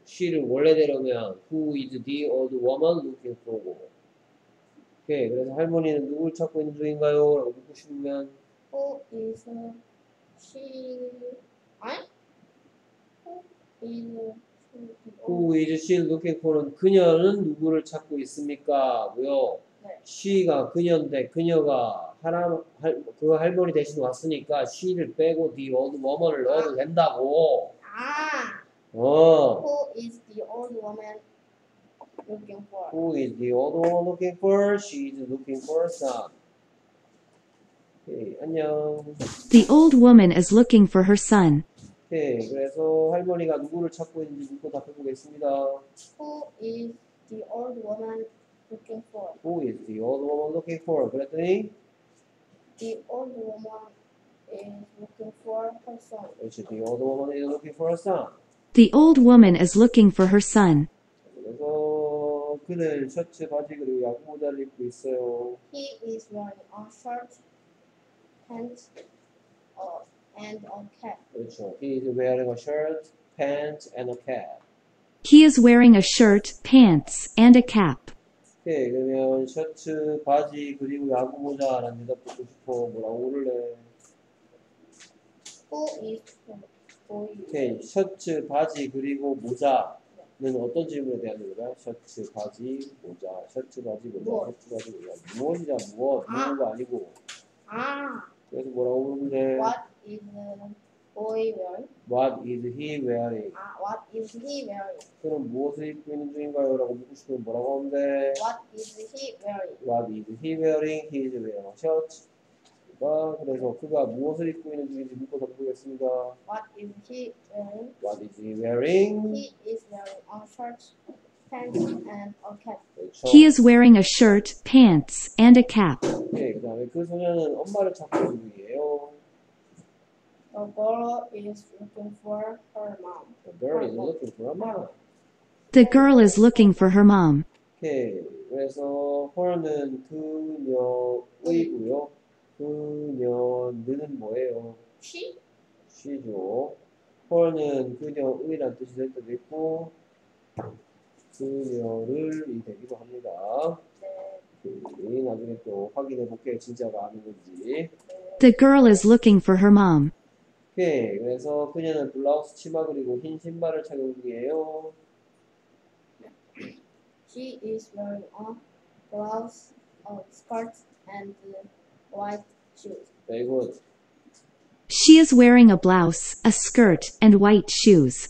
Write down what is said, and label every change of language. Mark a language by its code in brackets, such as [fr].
[en] she를 [ko] 원래대로면 [en] who is the old woman looking for? [ko] 오케이, 그래서 할머니는 누구를 찾고 있는 중인가요? 라고 묻고 싶으면 [en] Who is she? [ko] 아니? [en] Who is she looking for? [ko] 그녀는 누구를 찾고 있습니까? 고요. 네. she가 그녀인데 그녀가 할아버, 할, 그 할머니 대신 왔으니까 she를 빼고 [en] the old woman [ko] 을 넣어도 아. 된다고. 아. 어. [en] Who is the old woman? Who is the old woman looking for? She is looking for son. [ko] Okay, 안녕. [en] The old woman is looking for her son. [ko] Okay, 그래서 할머니가 누구를 찾고 있는지 묻고 답해보겠습니다. [en] Who is the old woman looking for? Who is the old woman looking for? [ko] 그랬더니? [en] The old woman is looking for her son. Which is the old woman is looking for her son? The old woman is looking for her son. [ko] 그래서 그는 셔츠 바지 그리고 야구 모자를 입고 있어요. [en] He is wearing a shirt, pants, and a cap. 그렇죠. He is wearing a shirt, pants, and a cap. He is wearing a shirt, pants, and a cap. [ko] 오케이, 그러면 셔츠 바지 그리고 야구 모자라는 대답 듣고 싶어. 뭐라고 그럴래? [en] Who is wearing? [ko] 오케이, 셔츠 바지 그리고 모자. 는 어떤 질문에 대한 거야? 셔츠, 바지, 모자, 셔츠, 바지, 모자, 뭐. 셔츠, 바지, 모자. 무엇이냐, 무엇? 아. 무는 거 아니고. 아. 그래서 뭐라고 물으면 돼? [en] What is the boy wearing? What is he wearing? 아, what is he wearing? [ko] 그럼 무엇을 입고 있는 중인가요? 라고 묻고 싶으면 뭐라고 하면 돼? [en] What is he wearing? What is he wearing? He is wearing a shirt. [ko] 아, 그래서 그가 무엇을 입고 있는 중인지 묻고 답해보겠습니다. [en] What is he wearing? What is he wearing? He is wearing a shirt, pants, and a cap. He is wearing a shirt, pants, and a cap. [ko] 네, 그 다음에 그 소녀는 엄마를 찾고 있는 중이에요. [en] The girl is looking for her mom. The girl is looking for her mom. The girl is looking for her mom. [ko] 네, 그래서 her는 그녀이고요. 그녀는 뭐예요? [en] She? [ko] She죠. Her는 그녀의란 뜻이 될 때도 있고 그녀를이 되기도 합니다. 네. 오케이. 나중에 또 확인해 볼게요. 진짜가 아닌 건지. [en] The girl is looking for her mom. [ko] 오케이. 그래서 그녀는 블라우스 치마 그리고 흰 신발을 착용 중이에요. [en] She is wearing a blouse, a skirt, and white shoes. She is wearing a blouse, a skirt, and white shoes.